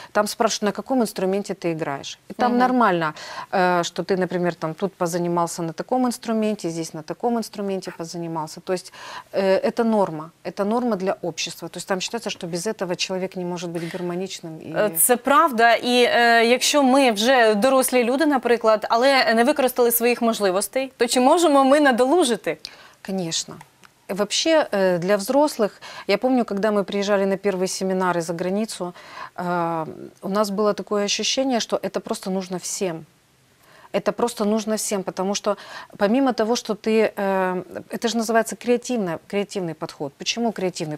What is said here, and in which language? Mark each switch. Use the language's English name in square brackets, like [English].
[Russian] Там спрашивают, на каком инструменте ты играешь. И там нормально, что ты, например, там, тут позанимался на таком инструменте, здесь на таком инструменте позанимался. То есть это норма. Это норма для общества. То есть там считается, что без этого человек не может быть гармоничным. [Ukrainian] Це правда. И якщо ми вже дорослі люди, наприклад, але не використали своїх можливостей, то чи можемо ми на долужити? [Russian] Конечно. Вообще, для взрослых, я помню, когда мы приезжали на первые семинары за границу, у нас было такое ощущение, что это просто нужно всем. Это просто нужно всем, потому что помимо того, что ты... это же называется креативный подход. Почему креативный?